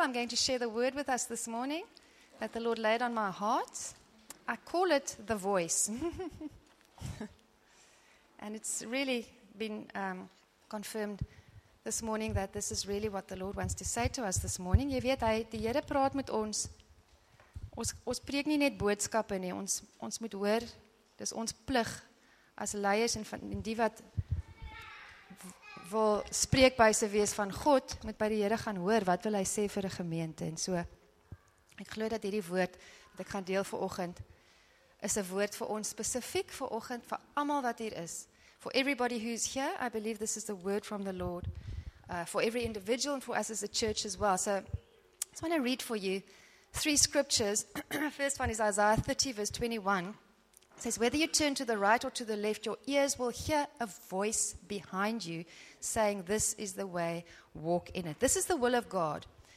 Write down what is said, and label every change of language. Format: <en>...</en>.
<en>I'm going to share the word with us this morning that the Lord laid on my heart. I call it the voice. And it's really been confirmed this morning that this is really what the Lord wants to say to us this morning.</en> <af>Jy weet, die Here praat met ons. Ons preek nie net boodskappe nie. Ons moet hoor. Dis ons plig as leiers en die wat wil spreekbuise wees van God, moet by die Here gaan hoor wat wil hy sê vir 'n gemeente. En so ek glo dat hierdie woord wat ek gaan deel vanoggend is 'n woord vir ons spesifiek vanoggend vir almal wat hier is.</af> <en>For everybody who's here, I believe this is the word from the Lord for every individual and for us as a church as well. So I just want to read for you three scriptures. First one is Isaiah 30 verse 21. It says, whether you turn to the right or to the left, your ears will hear a voice behind you saying, this is the way, walk in it. This is the will of God.</en>